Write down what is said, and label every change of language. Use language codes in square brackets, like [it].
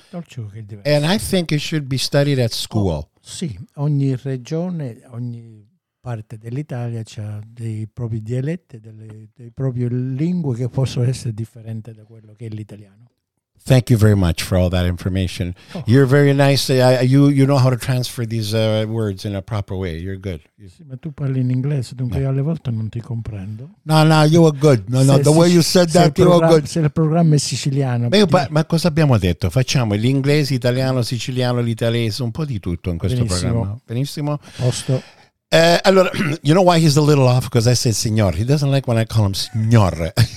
[en] And I think it should be studied at school. Oh, [it] sì, ogni regione, ogni parte dell'Italia c'ha dei propri dialetti, dei proprie lingue che possono essere differenti da quello che è l'italiano. [en] Thank you very much for all that information. Oh. You're very nice. You know how to transfer these words in a proper way. You're good. [it] Sì, ma tu parli in inglese, dunque no. Io alle volte non ti comprendo. [en] No, you are good. No, the way you said that, you are good. [it] Se il programma è siciliano. Ma cosa abbiamo detto? Facciamo l'inglese, italiano, siciliano, l'italese, un po' di tutto in questo benissimo. Programma. Benissimo. Posto. [en] Allora, you know why he's a little off? Because I said signor. He doesn't like when I call him signor.